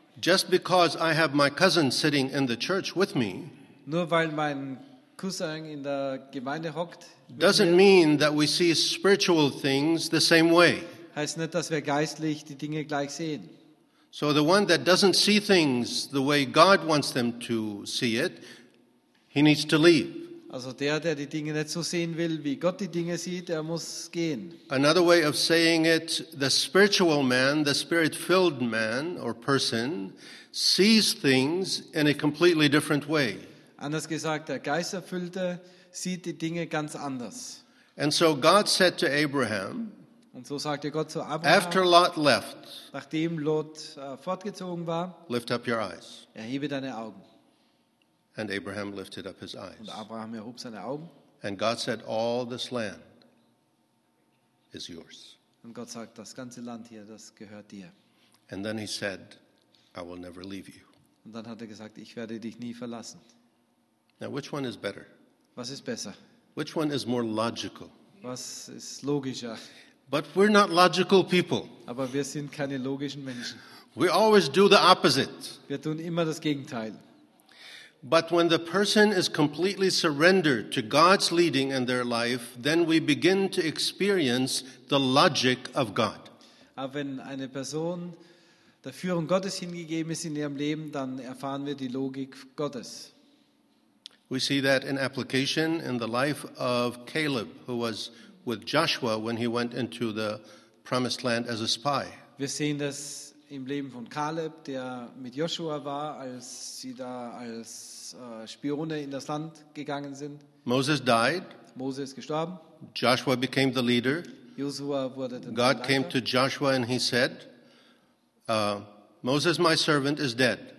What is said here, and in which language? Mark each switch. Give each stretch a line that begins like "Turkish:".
English: just because I have my cousin sitting in the church with me,
German: nur weil mein Cousin in der Gemeinde hockt,
English: doesn't mean that we see spiritual things the same way.
German: Heißt nicht, dass wir geistlich die Dinge gleich sehen.
English: So the one that doesn't see things the way God wants them to see it, he needs to leave.
German: Also der die Dinge nicht so sehen will, wie Gott die Dinge sieht, der muss gehen.
English: Another way of saying it, the spiritual man, the spirit-filled man or person, sees things in a completely different way.
German: Anders gesagt, der Geisterfüllte sieht die Dinge ganz anders.
English: And so God said to Abraham,
German: und so sagte Gott zu Abraham,
English: after Lot left,
German: nachdem Lot fortgezogen war,
English: lift up your eyes.
German: Erhebe deine Augen.
English: And Abraham lifted up his eyes.
German: Und Abraham erhob seine Augen.
English: And God said, all this land is yours.
German: Und Gott sagt, das ganze Land hier, das gehört dir.
English: And then he said, I will never leave you.
German: Und dann hat er gesagt, ich werde dich nie verlassen.
English: Now which one is better?
German: Was ist besser?
English: Which one is more logical?
German: Was ist logischer?
English: But we're not logical people.
German: Aber wir sind keine logischen Menschen.
English: We always do the opposite.
German: Wir tun immer das Gegenteil.
English: But when the person is completely surrendered to God's leading in their life, then we begin to experience the logic of God.
German: Aber wenn eine Person der Führung Gottes hingegeben ist in ihrem Leben, dann erfahren wir die Logik Gottes.
English: We see that in application in the life of Caleb, who was with Joshua when he went into the promised land as a spy.
German: Wir sehen das im Leben von Caleb, der mit Joshua war, als sie da als Spione in das Land gegangen sind.
English: Moses died.
German: Moses ist gestorben.
English: Joshua became the leader.
German: Joshua wurde der
English: God
German: Leiter.
English: Came to Joshua and he said, Moses, my servant, is dead.